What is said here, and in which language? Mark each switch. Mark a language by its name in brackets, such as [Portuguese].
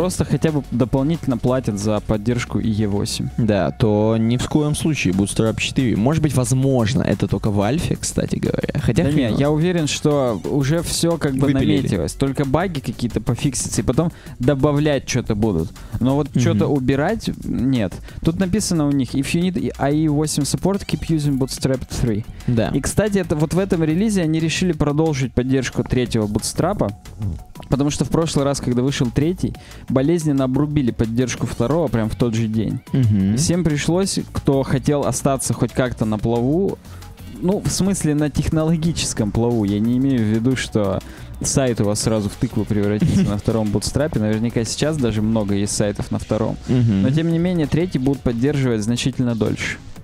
[Russian] Ну, просто хотя бы дополнительно платят за поддержку E8. Да, то ни в коем случае Bootstrap 4. Может быть, возможно, это только в альфе, кстати говоря. Хотя, да нет, я уверен, что уже все как бы выпилили. Наметилось. Только баги какие-то пофиксятся, и потом добавлять что-то будут. Но вот что-то убирать, нет. Тут написано у них, [English] if you need IE8 support, keep using Bootstrap 3. [Russian] Да. И, кстати, это вот в этом релизе они решили продолжить поддержку третьего бутстрапа, потому что в прошлый раз, когда вышел третий, болезненно обрубили поддержку второго прям в тот же день. Mm-hmm. Всем пришлось, кто хотел остаться хоть как-то на плаву, ну, в смысле на технологическом плаву, я не имею в виду, что сайт у вас сразу в тыкву превратится на втором бутстрапе, наверняка сейчас даже много есть сайтов на втором, но тем не менее третий будут поддерживать значительно дольше.